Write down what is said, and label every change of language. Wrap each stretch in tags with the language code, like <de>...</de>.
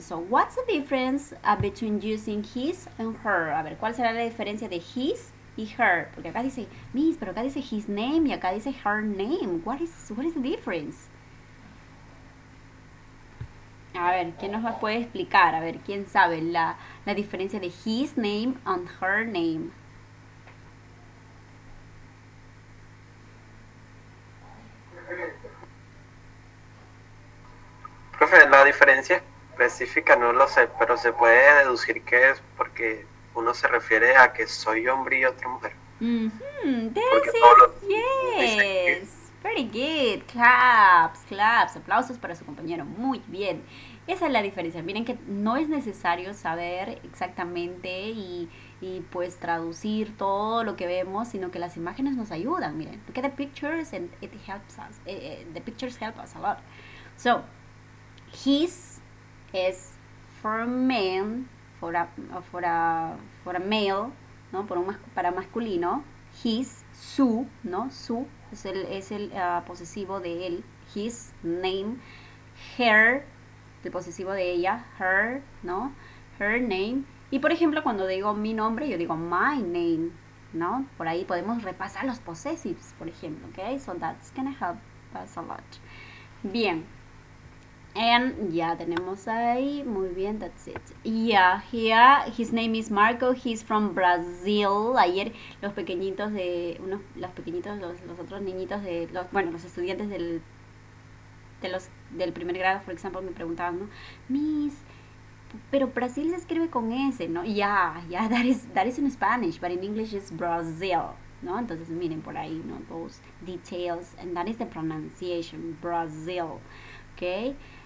<en>So, what's the difference between using his and her?</en> <es>A ver, ¿cuál será la diferencia de his y her? Porque acá dice, miss, pero acá dice his name y acá dice her name.</es> <en>What is the difference?</en> <es>A ver, ¿quién nos puede explicar? A ver, ¿quién sabe la diferencia de his name and her name? Profe, la diferencia específica no lo sé, pero se puede deducir que es porque uno se refiere a que soy hombre y otra mujer.</es> <en>Yes. Very good.</en> <es>Claps. Aplausos para su compañero. Muy bien. Esa es la diferencia. Miren que no es necesario saber exactamente y pues traducir todo lo que vemos, sino que las imágenes nos ayudan.</es> <en>Miren, look at the pictures and it helps us. The pictures help us a lot. So, his is for men, for a male, ¿no? Para masculino.</en> <es>His, su, ¿no? Su es el posesivo de él.</es> <en>His name, her, el posesivo de ella, her, ¿no? Her name.</en> <es>Y por ejemplo, cuando digo mi nombre, yo digo my name, ¿no? Por ahí podemos repasar los possessives, por ejemplo, ¿okay?</es> <en>So that's gonna help us a lot. Bien. And ya tenemos ahí. Muy bien, that's it. Yeah, here, his name is Marco. He's from Brazil.</en> <es>Ayer los estudiantes del primer grado, por ejemplo, me preguntaban, ¿no? Miss, pero Brasil se escribe con S, ¿no?</es> <en>Yeah, that is in Spanish, but in English it's Brazil, ¿no? Entonces, miren por ahí, ¿no? Those details, and that is the pronunciation, Brazil, okay?</en>